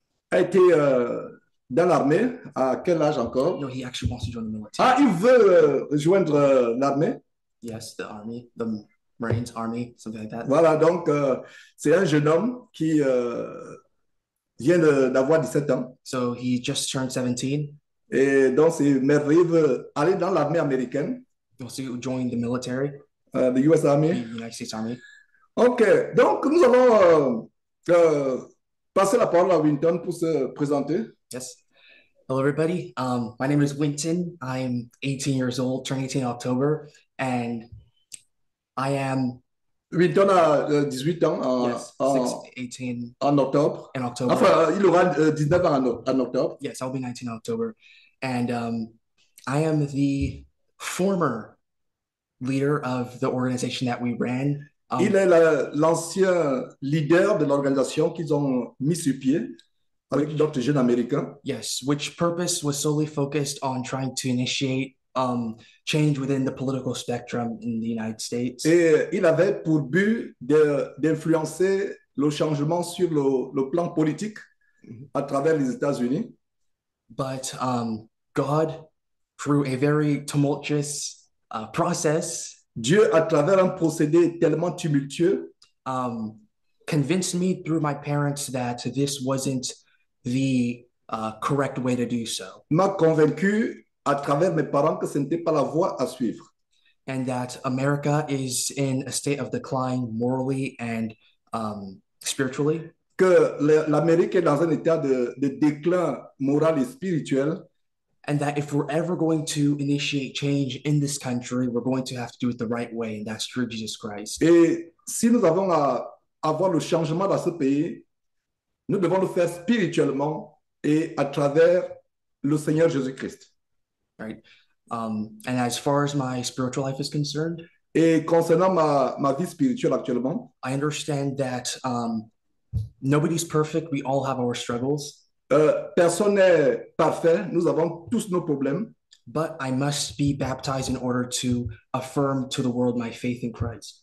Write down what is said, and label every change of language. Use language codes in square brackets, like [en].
[fr] a été dans l'armée à quel âge encore? [en] No, he actually wants to join the military. [fr] Ah, il veut rejoindre l'armée? [en] Yes, the army, the Marines army, something like that. [fr] Voilà, donc c'est un jeune homme qui vient d'avoir 17 ans. [en] So he just turned 17. [fr] Et donc c'est merveilleux aller dans l'armée américaine. [en] He wants to join the military. The U.S. Army. The United States Army. OK. [fr] Donc, nous allons passer la parole à Winton pour se présenter. [en] Yes. Hello, everybody. My name is Winton. I'm 18 years old, turning 18 in October. And I am... [fr] Winton a 18 ans en octobre. [en] In October. [fr] Enfin, il aura 19 ans en octobre. [en] Yes, I'll be 19 in October. And I am the former... leader of the organization that we ran. [fr] Il est l'ancien leader de l'organisation qu'ils ont mis sur pied avec d'autres jeunes américains. [en] Yes, which purpose was solely focused on trying to initiate change within the political spectrum in the United States. [fr] Et il avait pour but d'influencer le changement sur le plan politique à travers les États-Unis. [en] But God, through a very tumultuous process. [fr] Dieu, à travers un procédé tellement tumultueux, [en] convinced me through my parents that this wasn't the correct way to do so. [fr] M'a convaincu à travers mes parents que ce n'était pas la voie à suivre. [en] And that America is in a state of decline morally and spiritually. [fr] Que l'Amérique est dans un état de déclin moral et spirituel. [en] And that if we're ever going to initiate change in this country, we're going to have to do it the right way, and that's through Jesus Christ. [fr] Et si nous avons à avoir le changement dans ce pays, nous devons le faire spirituellement et à travers le Seigneur Jésus Christ. [en] Right. And as far as my spiritual life is concerned, [fr] et concernant ma vie spirituelle actuellement, [en] I understand that nobody's perfect. We all have our struggles. [fr] Personne n'est parfait. Nous avons tous nos problèmes. [en] But I must be baptized in order to affirm to the world my faith in Christ.